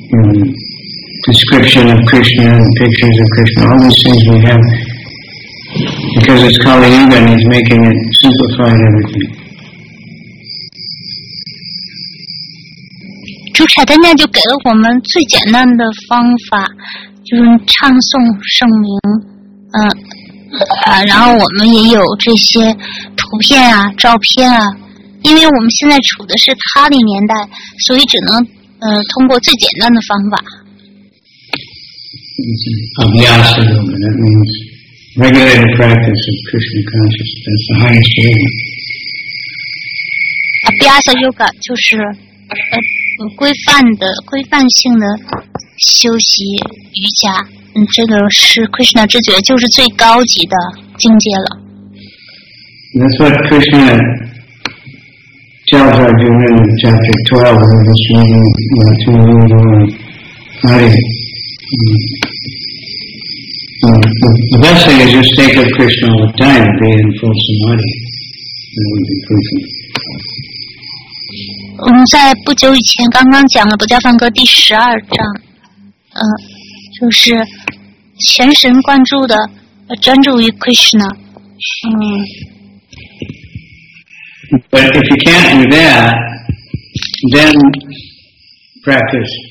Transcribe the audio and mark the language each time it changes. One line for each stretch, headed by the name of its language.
English: Description of Krishna and pictures of Krishna, all these things we have. Because it's Kali Yuga and he's making it simplified everything.
Chinese: 主舍丹娜就给了我们最简单的方法，就是唱诵圣名，然后我们也有这些图片啊、照片啊，因为我们现在处的是卡里年代，所以只能通过最简单的方法。
English: Abhyasa yoga, that means regulated practice of Krishna consciousness. That's the highest level.
Chinese: Abhyasa yoga 就是规范的、规范性的修习瑜伽。这个是 Krishna 知觉，就是最高级的境界了。
English: That's what Krishna tells Arjuna in chapter 12 of the Srimad Bhagavatam. The best thing is just think of Krishna all the time, be in full samadhi. That would be perfect.
Chinese: 我们在不久以前刚刚讲了《不加梵歌》第十二章，就是全神贯注的专注于 Krishna。
English: But if you can't do that, then practice.